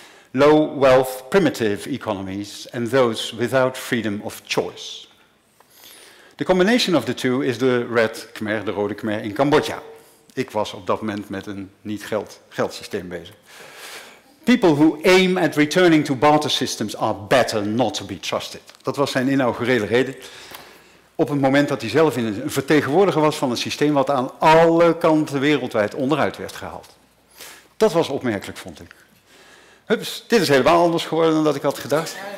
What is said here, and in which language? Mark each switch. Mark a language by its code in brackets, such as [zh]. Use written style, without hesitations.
[en] Low wealth primitive economies and those without freedom of choice. The combination of the two is the red Khmer, [nl] de rode Khmer in Cambodja. Ik was op dat moment met een niet geldsysteem bezig. [en] People who aim at returning to barter systems are better not to be trusted. [nl] Dat was zijn inaugurele reden. Op het moment dat hij zelf een vertegenwoordiger was van een systeem wat aan alle kanten wereldwijd onderuit werd gehaald. Dat was opmerkelijk, vond ik. Hups, dit is helemaal anders geworden dan dat ik had gedacht.